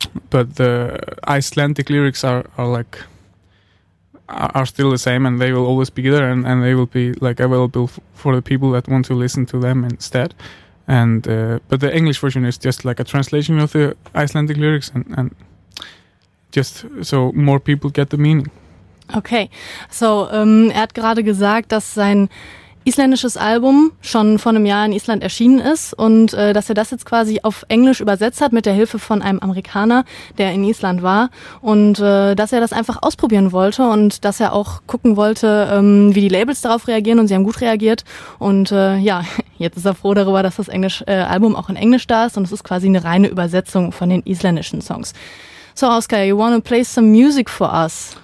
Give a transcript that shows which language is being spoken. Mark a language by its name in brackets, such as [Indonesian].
[English] but the Icelandic lyrics are still the same, and they will always be there, and they will be like available for the people that want to listen to them instead. But the English version is just like a translation of the Icelandic lyrics and just so more people get the meaning. [German] Okay, so er hat gerade gesagt, dass sein isländisches Album schon vor einem Jahr in Island erschienen ist und dass er das jetzt quasi auf Englisch übersetzt hat mit der Hilfe von einem Amerikaner, der in Island war und dass er das einfach ausprobieren wollte und dass er auch gucken wollte, wie die Labels darauf reagieren, und sie haben gut reagiert und ja, jetzt ist er froh darüber, dass das Englisch Album auch in Englisch da ist und es ist quasi eine reine Übersetzung von den isländischen Songs. [English] So Oskar, you want to play some music for us.